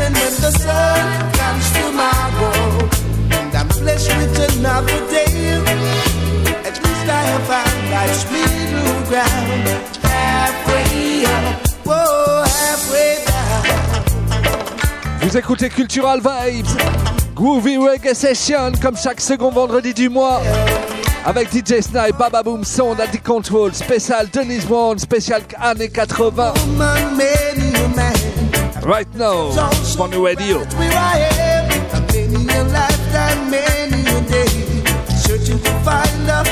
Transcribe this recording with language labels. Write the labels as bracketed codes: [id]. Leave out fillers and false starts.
[en] And when the sun comes tomorrow, with another day, at least I have found life's middle ground. Halfway up, whoa, halfway down. [fr] Vous écoutez Cultural Vibes, Groovy Reggae Session, comme chaque second vendredi du mois. Avec DJ Snipe, Baba Boom, Sound at the Control, spécial Dennis Brown, spécial années 80. [en] Woman, many a man. Right now, on the radio. Many a lifetime, many a day, searching for fire.